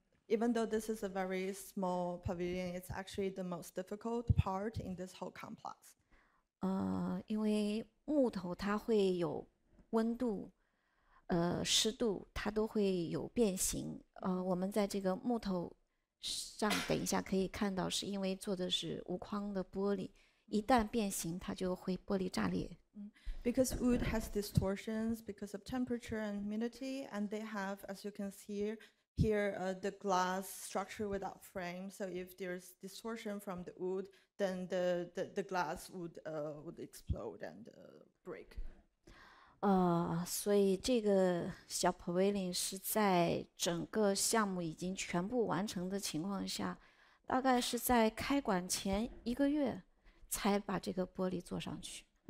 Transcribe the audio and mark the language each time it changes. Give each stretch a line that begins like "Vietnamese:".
English: Even though this is a very small pavilion, it's actually the most difficult part in this whole complex.
Chinese: 因为木头它会有温度，湿度，它都会有变形。我们在这个木头上，等一下可以看到，是因为做的是无框的玻璃，一旦变形，它就会玻璃炸裂。
English: Because wood has distortions because of temperature and humidity, and they have, as you can see here, the glass structure without frame. So if there's distortion from the wood, then the glass would explode and break.
Chinese: 所以这个小 pavilion 是在整个项目已经全部完成的情况下，大概是在开馆前一个月才把这个玻璃做上去。